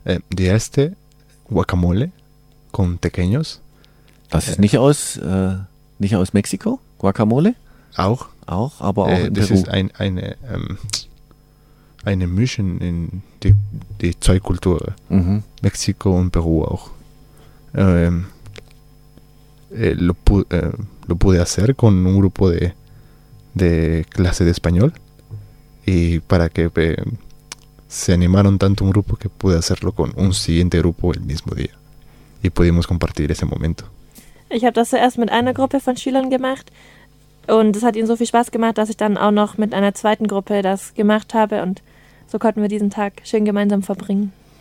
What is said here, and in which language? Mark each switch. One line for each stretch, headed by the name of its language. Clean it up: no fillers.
German: Die erste, Guacamole con Tequeños. Das ist nicht aus Mexiko, Guacamole? Auch. Auch, aber auch in das Peru. Das ist eine Mischung in die zwei Kulturen. Mhm. Mexiko und Peru auch.
Spanish: Lo pude hacer con un grupo de clase de español. Y para que se animaron tanto un grupo que pude hacerlo con un siguiente grupo el mismo día. Y pudimos compartir ese momento.
German: Ich habe das zuerst mit einer Gruppe von Schülern gemacht und es hat ihnen so viel Spaß gemacht, dass ich dann auch noch mit einer zweiten Gruppe das gemacht habe und so konnten wir diesen Tag schön gemeinsam verbringen.